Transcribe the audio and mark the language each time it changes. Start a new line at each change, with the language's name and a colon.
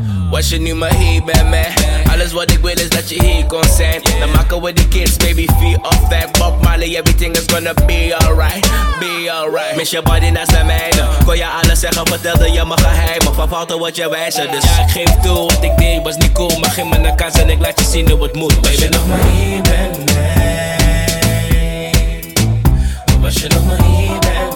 Dutch: Was je nu maar hier bij mij? Alles wat ik wil is dat je hier kon zijn. Dan maken we die kids,
English: baby, feel off that. Bob Marley, everything is gonna be alright. Be alright.
Dutch: Miss je body naast de mijne. Kon je alles zeggen, vertelde je mijn geheimen. Van fouten wat je wijzen, dus ja, ik geef toe. Wat ik deed was niet cool, maar geef me een kans en ik laat je zien hoe het moet, baby. Was je nog maar hier bij mij? Was je nog maar hier bij mij?